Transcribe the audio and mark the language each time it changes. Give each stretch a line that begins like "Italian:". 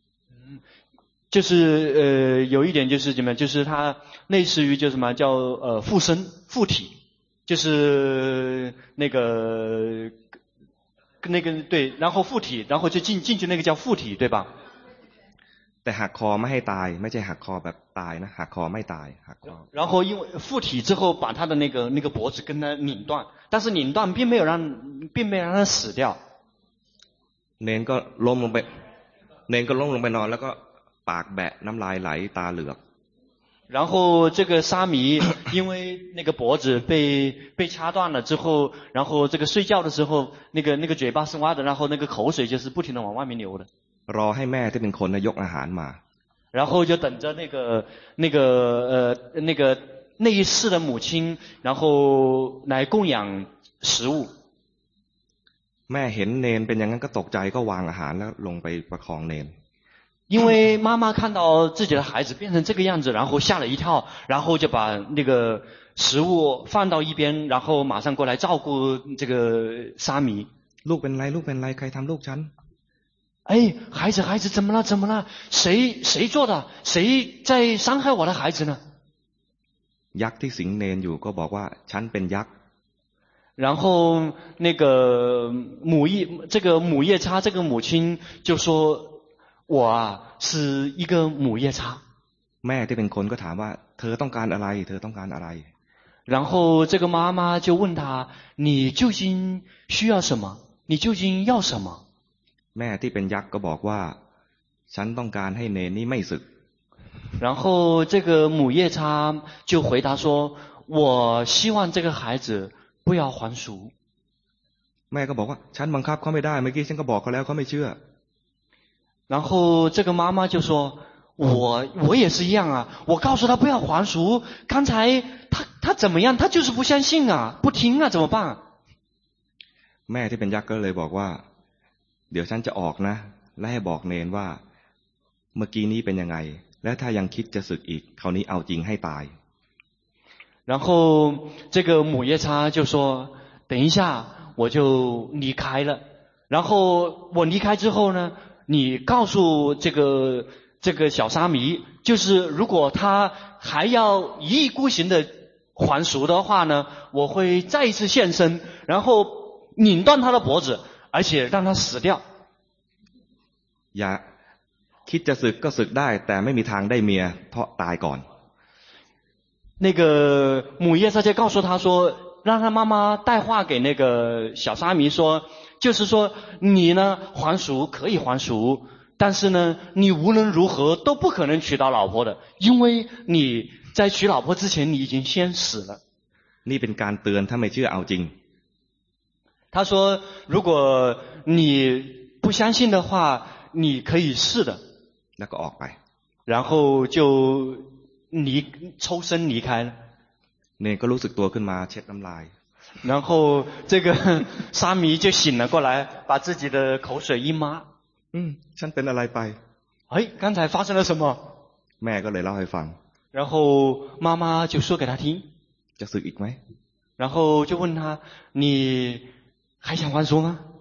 Chinese: อืม就是有一点就是怎么就是它类似于就什么叫附身附体就是那个对然后附体然后就进去那个叫附体对吧
Thai: แต่หักคอไม่ให้ตายไม่ใช่หักคอแบบตายนะหักคอไม่ตายหักคอ
Chinese: 然后因为附体之后把他的那个脖子跟他拧断但是拧断并没有让他死掉
Thai: เนนก็ล้มลงไปเนนก็ล้มลงไปนอนแล้วก็ปากแบะน้ำลายไหลตาเหลือก
Chinese: 然后这个沙弥因为那个脖子被掐断了之后然后这个睡觉的时候那个嘴巴是挖的然后那个口水就是不停的往外面流的
Thai: รอให้แม่ที่เป็นคนนะยกอาหารมา
Chinese: 然后就等着那个那一世的母亲然后来供养食物
Thai: แม่เห็นเนนเป็นอย่างนั้นก็ตกใจก็วางอาหารแล้วลงไปประคองเนน
Chinese: 因为妈妈看到自己的孩子变成这个样子然后吓了一跳然后就把那个食物放到一边然后马上过来照顾这个沙弥
Thai: ลูกเป็นไรลูกเป็นไรใครทำลูกฉัน
Chinese: ไอ้孩子怎么了怎么了谁做的谁在伤害我的孩子呢
Thai: ยักษ์ที่สิงเนนอยู่ก็บอกว่าฉันเป็นยักษ์
Chinese: 然后那个母夜这个母夜叉这个母亲就说我啊是一个母夜叉
Thai: แม่ที่เป็นคนก็ถามว่าเธอต้องการอะไรเธอต้องการอะไร
Chinese: 然后这个妈妈就问他你究竟需要什么你究竟要什么
Thai: แม่ที่เป็นยักษ์ก็บอกว่าฉันต้องการให้เนนี่ไม่สึก
Chinese: 然后这个母夜叉就回答说我希望这个孩子不要还俗
Thai: แม่ก็บอกว่าฉันบังคับเขาไม่ได้เมื่อกี้ฉันก็บอกเขาแล้วเขาไม่เชื่อ
Chinese: 然后这个妈妈就说我也是一样啊我告诉他不要还俗刚才他怎么样他就是不相信啊不听啊怎么办
Thai: แม่ที่เป็นยักษ์ก็เลยบอกว่าเดี๋ยวฉันจะออกนะและให้บอกเนนว่าเมื่อกี้นี้เป็นยังไงและถ้ายังคิดจะสึกอีกคราวนี้เอาจริงให้ตาย
Chinese: 然后这个母夜叉就说等一下我就离开了然后我离开之后呢你告诉这个小沙弥就是如果他还要一意孤行的还俗的话呢我会再一次现身然后拧断他的脖子而且让他死掉
Thai: อย่าคิดจะสึกก็สึกได้แต่ไม่มีทางได้เมียเพราะตายก่อน
Chinese: 那个母夜叉就告诉他说让他妈妈带话给那个小沙弥说就是说你呢还俗可以还俗但是呢你无论如何都不可能娶到老婆的因为你在娶老婆之前你已经先死了
Thai: นี่เป็นการเตือนถ้าไม่เชื่อเอาจริง
Chinese: 他说如果你不相信的话你可以试的
Thai: 那个ออกไป
Chinese: 然后就离抽身离开了
Thai: เนนก็รู้สึกตัวขึ้นมาเช็ดน้ำลาย
Chinese: 然后这个沙弥就醒了过来把自己的口水一抹
Thai: ฉันเป็นอะไรไป
Chinese: เฮ้ย刚才发生了什么
Thai: แม่ก็เลยเล่าให้ฟัง
Chinese: 然后妈妈就说给他听
Thai: จะสึกอีกไหม
Chinese: 然后就问他你还想还俗吗